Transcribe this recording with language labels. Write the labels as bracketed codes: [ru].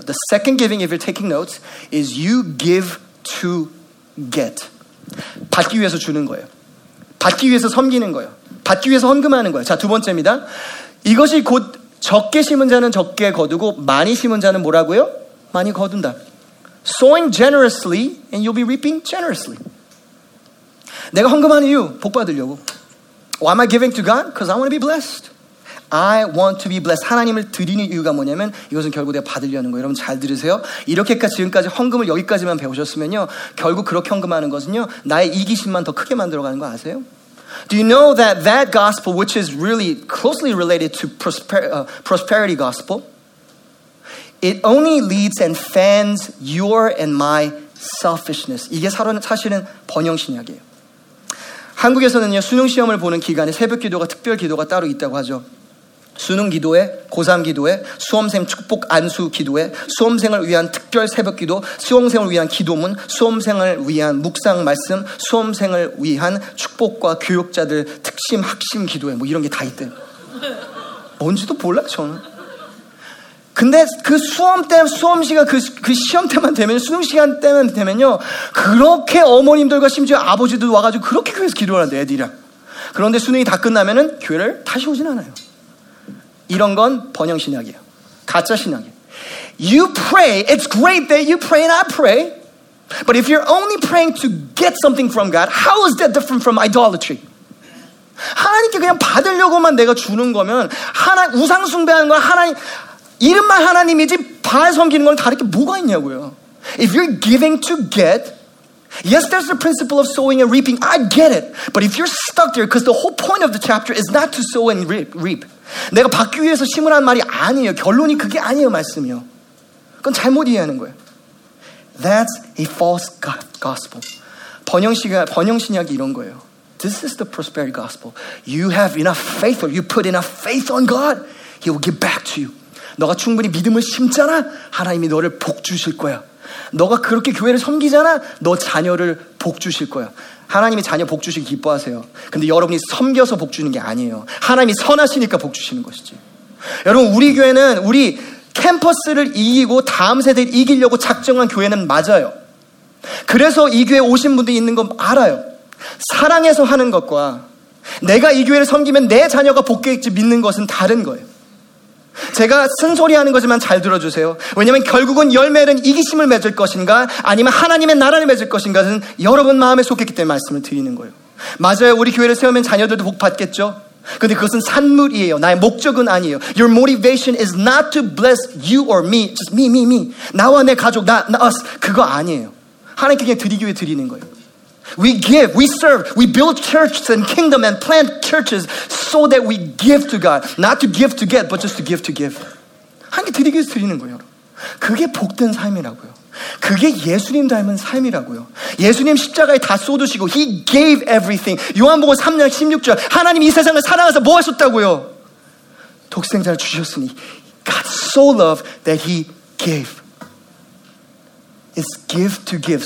[en] The second giving, if you're taking notes, is you give to get. [ko] 받기 위해서 주는 거예요. 받기 위해서 섬기는 거예요. 받기 위해서 헌금하는 거예요. 자, 두 번째입니다. 이것이 곧 적게 심은 자는 적게 거두고 많이 심은 자는 뭐라고요? 많이 거둔다. [en] Sowing generously and you'll be reaping generously. [ko] 내가 헌금하는 이유, 복 받으려고. [en] Why am I giving to God? Because I want to be blessed. I want to be blessed. [ko] 하나님을 드리는 이유가 뭐냐면 이것은 결국 내가 받으려는 거예요. 여러분 잘 들으세요. 이렇게까지 지금까지 헌금을 여기까지만 배우셨으면요. 결국 그렇게 헌금하는 것은요. 나의 이기심만 더 크게 만들어가는 거 아세요? [en] Do you know that that gospel, which is really closely related to prosperity gospel, it only leads and fans your and my selfishness. [ko] 이게 사실은 번영신약이에요. 한국에서는요, 수능 시험을 보는 기간에 새벽 기도가 특별 기도가 따로 있다고 하죠. 수능 기도회, 고3 기도회, 수험생 축복 안수 기도회, 수험생을 위한 특별 새벽 기도, 수험생을 위한 기도문, 수험생을 위한 묵상 말씀, 수험생을 위한 축복과 교육자들 특심 학심 기도회 뭐 이런 게 다 있대. 뭔지도 몰라 저는. 근데 그 수험 때 수험시가 그 시험 때만 되면 수능 시간 때만 되면요 그렇게 어머님들과 심지어 아버지도 와가지고 그렇게 그래서 기도를 한대 애들이랑. 그런데 수능이 다 끝나면은 교회를 다시 오진 않아요. 이런 건 번영 신약이에요. 가짜 신약이에요. [en] You pray. It's great that you pray and I pray. But if you're only praying to get something from God, how is that different from idolatry? [ko] 하나님께 그냥 받으려고만 내가 주는 거면 하나 우상 숭배하는 건 하나님 이름만 하나님이지 바알 섬기는 건 다르게 뭐가 있냐고요. [en] If you're giving to get, yes, there's the principle of sowing and reaping. I get it. But if you're stuck there, because the whole point of the chapter is not to sow and reap. [ko] 내가 받기 위해서 심을 한 말이 아니에요. 결론이 그게 아니에요, 말씀이요. 그건 잘못 이해하는 거예요. [en] That's a false gospel. [ko] 번영신약이 이런 거예요. [en] This is the prosperity gospel. You have enough faith, or you put enough faith on God, He will give back to you. [ko] 너가 충분히 믿음을 심잖아? 하나님이 너를 복 주실 거야. 너가 그렇게 교회를 섬기잖아? 너 자녀를 복 주실 거야. 하나님이 자녀 복 주시기 기뻐하세요. 근데 여러분이 섬겨서 복 주는 게 아니에요. 하나님이 선하시니까 복 주시는 것이지. 여러분 우리 교회는 우리 캠퍼스를 이기고 다음 세대를 이기려고 작정한 교회는 맞아요. 그래서 이 교회에 오신 분들이 있는 건 알아요. 사랑해서 하는 것과 내가 이 교회를 섬기면 내 자녀가 복겠지 믿는 것은 다른 거예요. 제가 쓴소리하는 거지만 잘 들어주세요. 왜냐하면 결국은 열매는 이기심을 맺을 것인가 아니면 하나님의 나라를 맺을 것인가는 여러분 마음에 속했기 때문에 말씀을 드리는 거예요. 맞아요. 우리 교회를 세우면 자녀들도 복 받겠죠. 근데 그것은 산물이에요. 나의 목적은 아니에요. [en] Your motivation is not to bless you or me. Just me, me, me. [ko] 나와 내 가족, 나 us. 그거 아니에요. 하나님께 그냥 드리기 위해 드리는 거예요. [en] We give, we serve, we build churches and kingdom and plant churches so that we give to God. Not to give to get, but just to give to give. [ko] 한 게 드리기 위해서 드리는 거예요. 그게 복된 삶이라고요. 그게 예수님 닮은 삶이라고요. 예수님 십자가에 다 쏟으시고 [en] He gave everything. [ko] 요한복음 3장 16절 하나님이 이 세상을 사랑해서 뭐 하셨다고요? 독생자를 주셨으니 [en] God so loved that He gave. It's give to give.